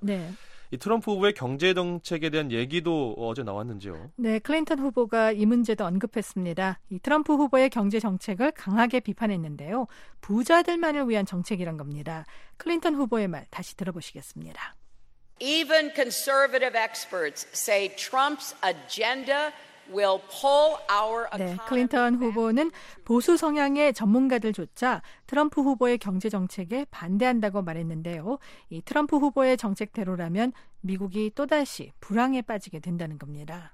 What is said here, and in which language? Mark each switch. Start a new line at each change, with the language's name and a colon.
Korean: 네. 이 트럼프 후보의 경제 정책에 대한 얘기도 어제 나왔는지요? 네, 클린턴 후보가 이 문제도 언급했습니다. 이 트럼프 후보의 경제 정책을 강하게 비판했는데요. 부자들만을 위한 정책이란 겁니다. 클린턴 후보의 말 다시 들어보시겠습니다.
English: Even conservative experts say Trump's agenda will pull our economy.
Korean: 네, 클린턴 후보는 보수 성향의 전문가들조차 트럼프 후보의 경제 정책에 반대한다고 말했는데요. 이 트럼프 후보의 정책대로라면 미국이 또다시 불황에 빠지게 된다는 겁니다.